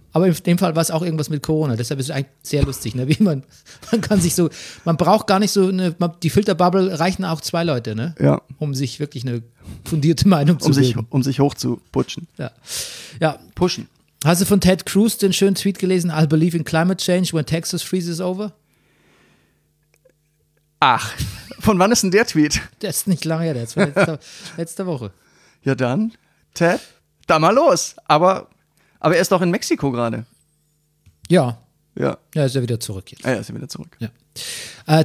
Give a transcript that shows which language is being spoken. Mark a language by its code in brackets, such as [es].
[de] Aber in dem Fall war es auch irgendwas mit Corona. Deshalb ist es eigentlich sehr lustig, ne? Wie man kann sich so, man braucht gar nicht so eine, die Filterbubble reichen auch zwei Leute, ne? Ja. Um sich wirklich eine fundierte Meinung zu bilden. Um sich hochzuputschen. Ja. Ja. Pushen. Hast du von Ted Cruz den schönen Tweet gelesen? [en] I believe in climate change when Texas freezes over? [de] Ach, von wann ist denn der Tweet? Der ist nicht lange her, der ist von letzte Woche. Ja dann, Ted, da mal los. Aber er ist doch in Mexiko gerade. Ja. Ja. Ja, ist er wieder zurück jetzt. Ja, ist er wieder zurück. Ja.